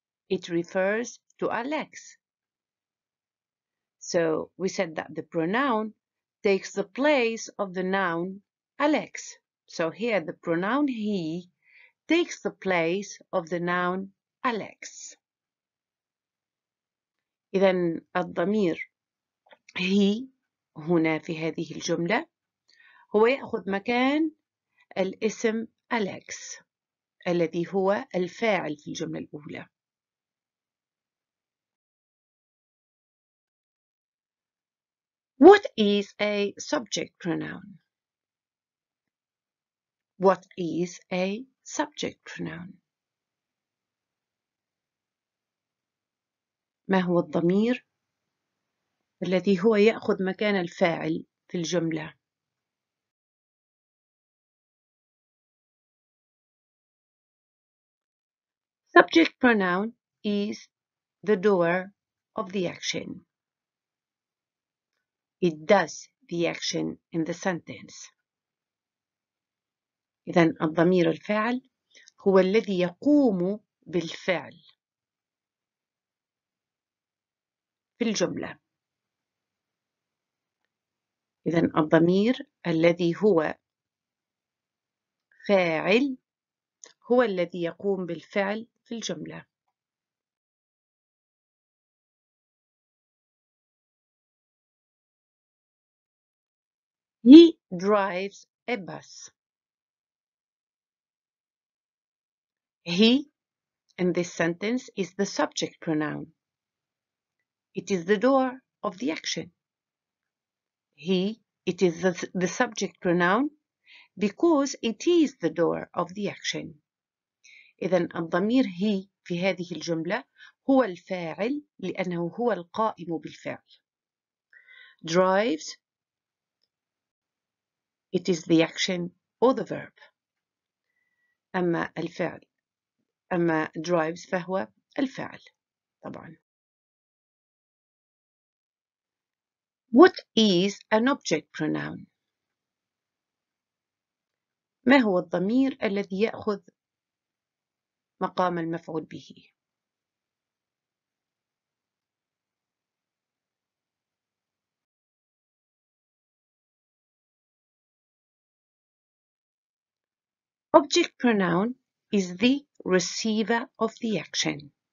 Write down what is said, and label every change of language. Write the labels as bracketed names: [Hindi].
[English] It refers to Alex. So we said that the pronoun takes the place of the noun Alex. So here the pronoun he takes the place of the noun Alex. [Arabic] إذن الضمير he هنا في هذه الجملة هو يأخذ مكان الاسم Alex الذي هو الفاعل في الجملة الأولى. [English] What is a subject pronoun? What is a subject pronoun? [Arabic] ما هو الضمير الذي هو يأخذ مكان الفاعل في الجملة؟ [English] Subject pronoun is the doer of the action. It does the action in the sentence. [Arabic] إذن الضمير الفاعل هو الذي يقوم بالفعل في الجملة. إذن الضمير الذي هو فاعل هو الذي يقوم بالفعل في الجملة. [English] He drives a bus. He, in this sentence, is the subject pronoun. It is the doer of the action. He, it is the subject pronoun because it is the doer of the action. [Arabic] إذن الضمير he في هذه الجملة هو الفاعل لأنه هو القائم بالفعل. [English] Drives. It is the action or the verb. [Arabic] أما الفعل. أما drives فهو الفعل طبعا. [English] What is an object pronoun? [Arabic] ما هو الضمير الذي يأخذ مقام المفعول به؟ [English] Object pronoun is the receiver of the action.